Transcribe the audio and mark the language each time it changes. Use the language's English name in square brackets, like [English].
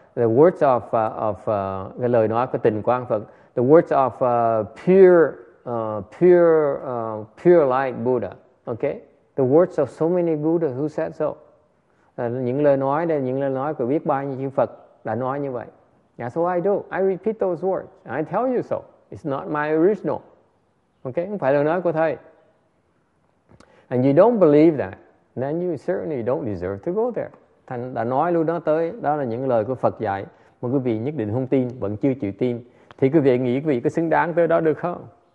[English] The words of [Vietnamese] cái lời nói của Tịnh Quang Phật, [English] the words of pure light Buddha, okay, the words of so many Buddha who said so, [Vietnamese] những lời nói của biết bao nhiêu chư Phật đã nói như vậy. [English] That's what I do. I repeat those words. I tell you so. It's not my original, okay, [Vietnamese] không phải lời nói của thầy. [English] And you don't believe that, then you certainly don't deserve to go there. [Vietnamese] Thành đã nói luôn đó tới, đó là những lời của Phật dạy mà quý vị nhất định không tin, vẫn chưa chịu tin, thì quý vị nghĩ quý vị có xứng đáng tới đó được không?